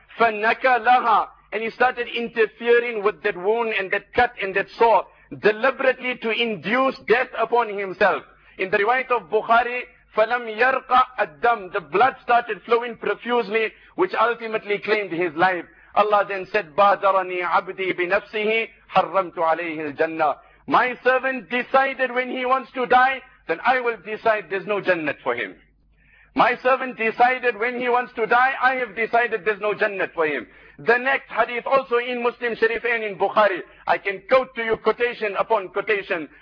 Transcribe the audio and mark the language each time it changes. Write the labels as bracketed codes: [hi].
[ar] فَنَكَ لَهَا. [en] And he started interfering with that wound and that cut and that sore, deliberately to induce death upon himself. In the riwayat of Bukhari, [ar] فَلَمْ يَرْقَ الدَّمْ. [en] The blood started flowing profusely, which ultimately claimed his life. Allah then said, [ar] بَادَرَنِي عَبْدِي بِنَفْسِهِ حَرَّمْتُ عَلَيْهِ الْجَنَّةِ. [en] My servant decided when he wants to die, then I will decide there's no jannat for him. My servant decided when he wants to die, I have decided there's no Jannah for him. The next hadith also in Muslim Sharif and in Bukhari. I can quote to you quotation upon quotation.